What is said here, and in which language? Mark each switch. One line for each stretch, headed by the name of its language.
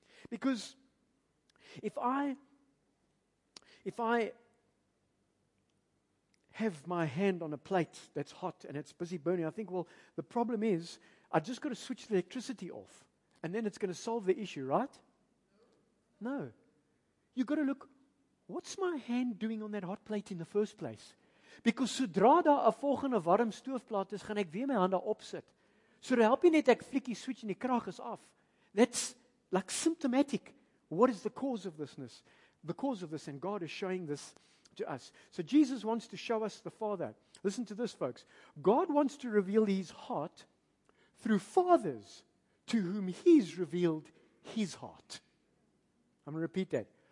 English: Because if I have my hand on a plate that's hot and it's busy burning, I think, well, the problem is I just got to switch the electricity off and then it's going to solve the issue, right? No. You've got to look, what's my hand doing on that hot plate in the first place? Because
Afrikaans: sodra daar 'n volgende warm stoofplaat is, gaan ek weer my hande opsit. So dit help nie net ek flikkie switch en die krag is af.
English: That's like symptomatic. What is the cause of thisness? The cause of this, and God is showing this to us. So Jesus wants to show us the Father. Listen to this, folks. God wants to reveal His heart through fathers to whom He's revealed His heart. I'm going to repeat that.